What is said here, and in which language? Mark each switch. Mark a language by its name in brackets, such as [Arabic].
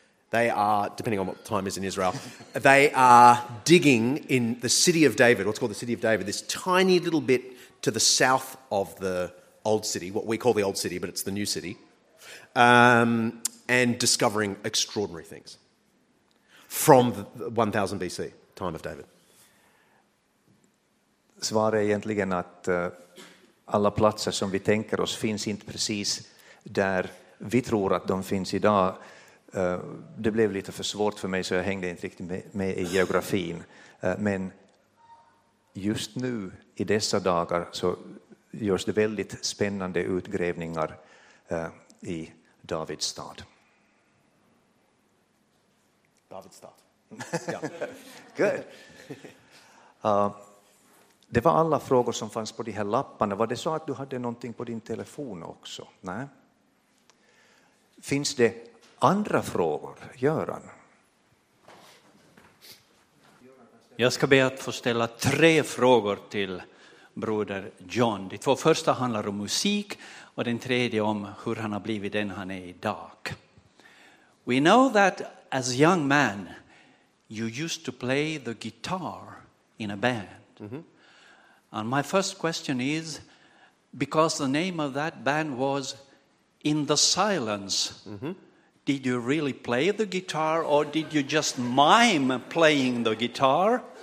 [English] They are, depending on what the time is in Israel, they are digging in the city of David, what's called the city of David, this tiny little bit to the south of the old city, what we call the old city, but it's the new city, and discovering extraordinary things from the 1000 BC, time of David. [Swedish] Svaret är egentligen att alla platser som vi tänker oss finns inte precis där vi tror att de finns idag. Det blev lite för svårt för mig så jag hängde inte riktigt med i geografin. Men just nu i dessa dagar så görs det väldigt spännande utgrävningar i Davids stad. Davids stad. [English] Good. [Swedish] Det var alla frågor som fanns på de här lapparna. Var det så att du hade någonting på din telefon också? Nej. Finns det andra frågor, Göran? Jag ska be att få ställa tre frågor till broder John. De två första handlar om musik och den tredje om hur han har blivit den han är idag. [English] We know that as a young man you used to play the guitar in a band. Mm-hmm. And my first question is, because the name of that band was In the Silence, Did you really play the guitar or did you just mime playing the guitar?